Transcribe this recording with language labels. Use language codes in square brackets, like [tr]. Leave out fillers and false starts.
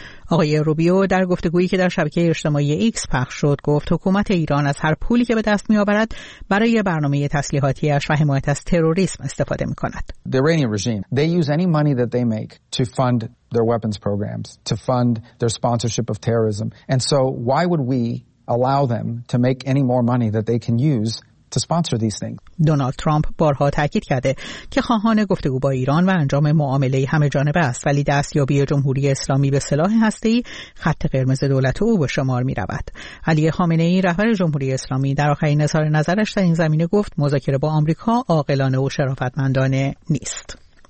[fa] آقای روبیو در گفتگویی که در شبکه اجتماعی ایکس پخش شد گفت حکومت ایران از هر پولی که به دست می‌آورد برای برنامه تسلیحاتیش و حمایت از تروریسم استفاده می‌کند. [en] The Iranian regime, they use any money that they make to fund their weapons programs, to fund their sponsorship of terrorism. And so why would we allow them to make any more money that they can use to sponsor these things. [fa] دونالد ترامپ بارها تاکید کرده که خواهان گفتگو با ایران و انجام معامله همه جانبه است، ولی دستیابی جمهوری اسلامی به سلاح هسته‌ای خط قرمز دولت او به شمار می‌رود. علی خامنه‌ای رهبر جمهوری اسلامی در آخرین اظهار نظرش در این زمینه گفت مذاکره با آمریکا عاقلانه و شرافتمندانه نیست.